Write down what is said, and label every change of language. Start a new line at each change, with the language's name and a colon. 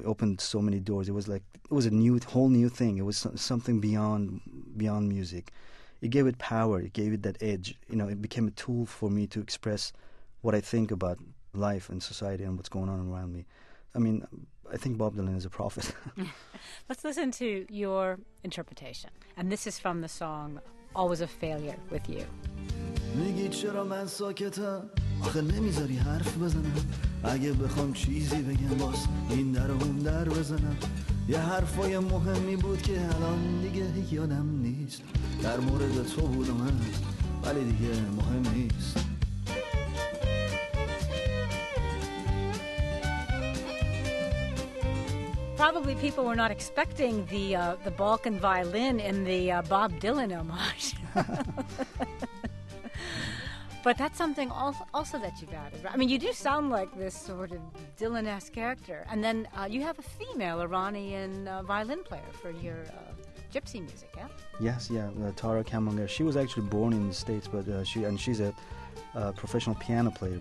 English: It opened so many doors. It was like it was a new, whole new thing. It was something beyond music. It gave it power. It gave it that edge. You know, it became a tool for me to express what I think about life and society and what's going on around me. I mean, I think Bob Dylan is a prophet. Let's listen to your interpretation. And this is from the song Always a Failure with You.
Persian: میگی چرا من ساکتم آخه نمیذاری حرف بزنم اگه بخوام چیزی بگم باز این در اون در بزنم یه حرفای مهمی بود که الان دیگه یادم نیست در مورد تو بودم ولی دیگه مهم نیست
English: Probably people were not expecting the Balkan violin in the Bob Dylan homage. But that's something also that you've added. I mean, you do sound like this sort of Dylan-esque character. And then you have a female Iranian violin player for your gypsy music, yeah? Yes, Tara Kamonger. She was actually born in the States, but she's a professional piano player.